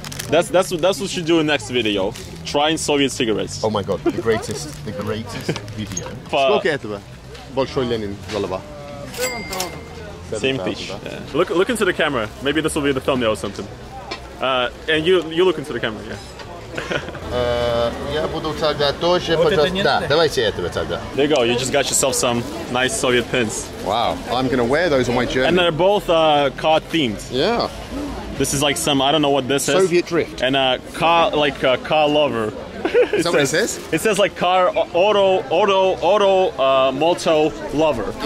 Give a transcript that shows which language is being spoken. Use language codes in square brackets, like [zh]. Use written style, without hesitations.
[en] That's what you should do in the next video. Trying Soviet cigarettes. Oh my god, the greatest, the greatest video. [ru] Сколько этого? Большой Ленин голова. [en] Same fish. Yeah. Look into the camera. Maybe this will be the thumbnail or something. And you look into the camera, yeah. [ru] Я буду тогда тоже, пожалуйста. Давайте этого тогда. [en] There you go, you just got yourself some nice Soviet pins. Wow, I'm gonna wear those on my journey. And they're both card themed. Yeah. This is like some, I don't know what this Soviet is. Soviet drift. And a car, like a car lover. Is that what it says? It says like car, auto, moto lover.